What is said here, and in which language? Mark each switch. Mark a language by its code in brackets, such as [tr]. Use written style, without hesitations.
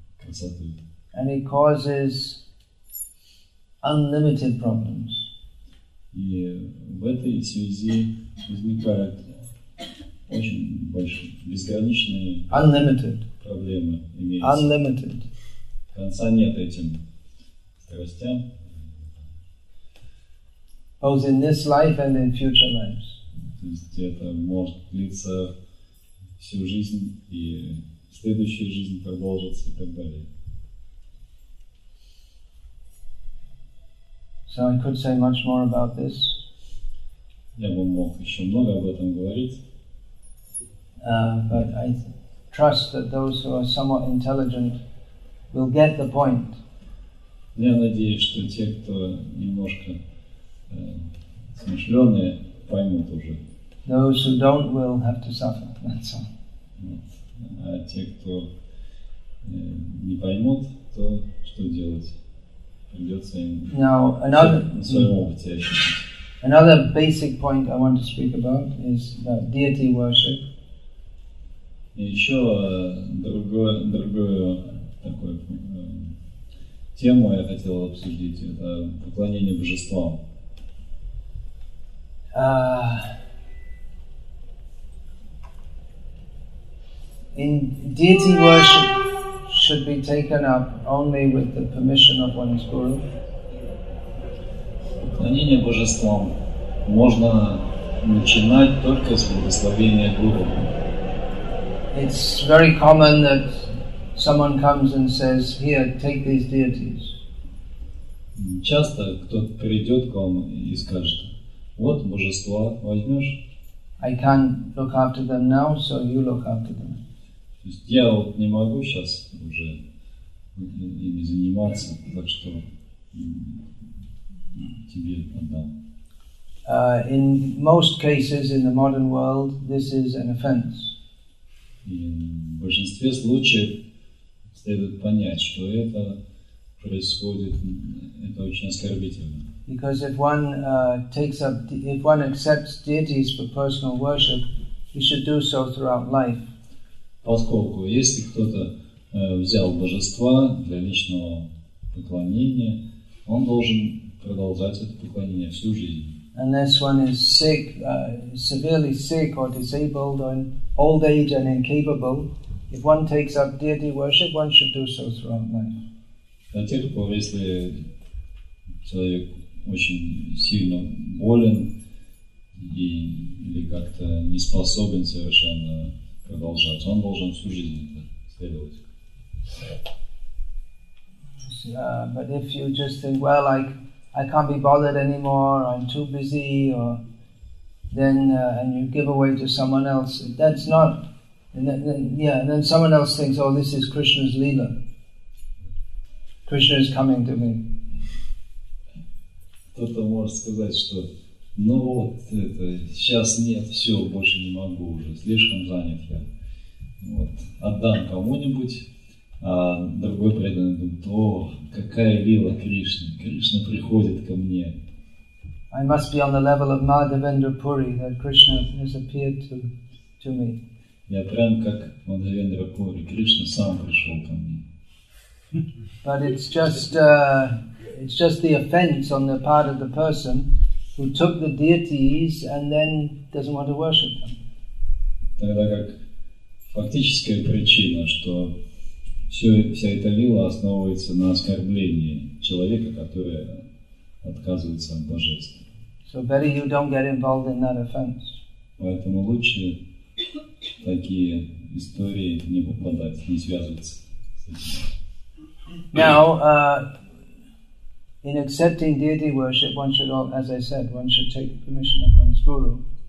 [en] And it causes unlimited problems. [ru] И в этой связи возникают очень большие безграничные [en] unlimited [ru] проблемы. Имеются. [en] Unlimited. [ru] Конца нет этим страстям. [en] Both in this life and in future lives. [ru] То есть это может длиться всю жизнь и следующая жизнь продолжится и так далее. [en] So I could say much more about this. [ru] Я бы мог еще много об этом говорить. [en] But I trust that those who are somewhat intelligent will get the point. [ru] Я надеюсь, что те, кто немножко смышленые, поймут уже. [en] Those who don't will have to suffer. That's all. [ru] А те, кто не поймут, то что делать? [en] Now another basic point I want to speak about is that deity worship. [ru] Еще другую такую тему я хотел обсудить, это поклонение божествам. [en] In deity worship should be taken up only with the permission of one's guru. [ru] Поклонение божествам можно начинать только с благословения гуру. [en] It's very common that someone comes and says, "Here, take these deities." [ru] Часто кто-то придет к вам и скажет: "Вот божества, возьмешь?" [en] I can't look after them now, so you look after them. [ru] То есть я вот не могу сейчас уже ими заниматься, так что тебе отдам. [en] In most cases in the modern world, this is an offense. [ru] И в большинстве случаев следует понять, что это происходит, это очень оскорбительно. [en] Because if one takes up, if one accepts deities for personal worship, he should do so throughout life. [ru] Поскольку если кто-то взял божества для личного поклонения, он должен продолжать это поклонение всю жизнь. [en] Unless one is sick, severely sick or disabled or in old age and incapable, if one takes up deity worship, one should do so throughout life. [ru] До тех пор, если человек очень сильно болен и или как-то не способен совершенно продолжать, он должен всю жизнь это следовать. [en] But if you just think, well, like I can't be bothered anymore, I'm too busy, or then and you give away to someone else, that's not, and then someone else thinks, oh, this is Krishna's leela. Krishna is coming to me. [ru] Кто-то может сказать, что ну вот, это, сейчас нет, все, больше не могу уже, слишком занят я. Вот, отдам кому-нибудь, а другой преданный думает, о, какая лила Кришны, Кришна приходит ко мне. [en] I must be on the level of Madhavendra Puri, that Krishna has appeared to me. [ru] Я прям как Мадхавендра Пури, Кришна сам пришел ко мне. [en] But it's just the offense on the part of the person who took the deities and then doesn't want to worship them. [ru] Тогда как фактическая причина, что вся эта лила основывается на оскорблении человека, который отказывается от божества. [en] So better you don't get involved in that offense. [ru] Поэтому лучше такие истории не попадать, не связываться с этим. [en] Now, in accepting deity worship, one should, all, as I said, one should take permission of one's guru.